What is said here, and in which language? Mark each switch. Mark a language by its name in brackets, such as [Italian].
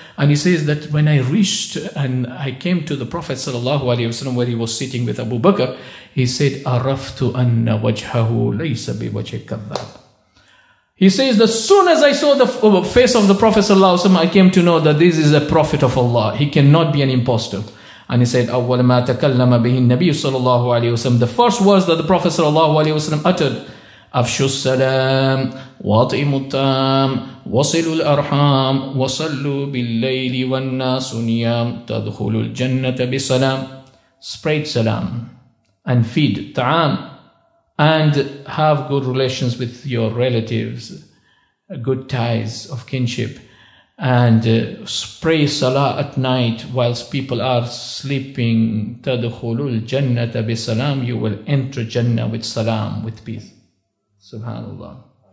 [English] And he says that when I reached and I came to the Prophet sallallahu alayhi wa sallam where he was sitting with Abu Bakr, he said, [Arabic] أَرَفْتُ أَنَّ وَجْهَهُ لَيْسَ بِوَجْهِ كَذَّبْ. [English] He says, as soon as I saw the face of the Prophet sallallahu alayhi wa sallam, I came to know that this is a Prophet of Allah. He cannot be an imposter. And he said, [Arabic] أَوَّلَ مَا تَكَلَّمَ بِهِ النَّبِيُّ صَلَى اللَّهُ عَلَيْهِ وَسَلَّمَ. [English] The first words that the Prophet sallallahu alayhi wa sallam uttered, [Arabic] أَفْشُ السَّلَامِ وَاطِئِمُ التَّامِ وَصِلُوا الْأَرْحَامِ وَصَلُّوا بِاللَّيْلِ وَالنَّاسُ نِيَامِ تَدْخُلُوا الْجَنَّةَ بِسَلَامِ. [English] Spread salam and feed ta'am and have good relations with your relatives, good ties of kinship, and pray salah at night whilst people are sleeping. [Arabic] تَدْخُلُوا الْجَنَّةَ بِسَلَامِ. [English] You will enter Jannah with salam, with peace. Subhanallah.